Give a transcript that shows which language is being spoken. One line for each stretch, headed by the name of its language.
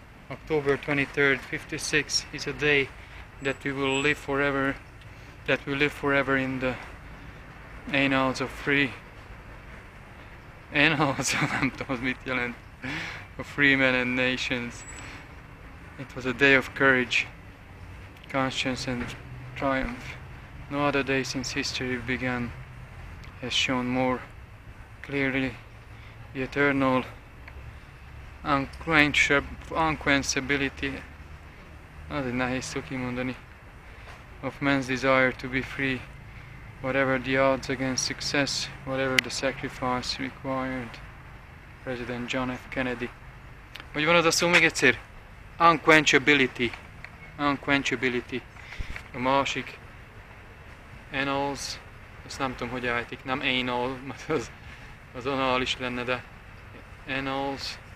English: October 23rd, 56 is a day that we will live forever, that we live forever in the annals of free.
Hungarian: Annals, nem tudom, az mit jelent.
English: Of free men and nations. It was a day of courage, conscience and triumph. No other day since history began has shown more clearly the eternal unquenchability,
Hungarian: az egy nehéz szó kimondani,
English: of man's desire to be free, whatever the odds against success, whatever the sacrifice required. President John F. Kennedy.
Hungarian: Hogy van az a szó még egyszer? Unquenchability. Unquenchability. A másik annals, ezt nem tudom, hogy állítik, nem anal, mert az anal is lenne, de annals.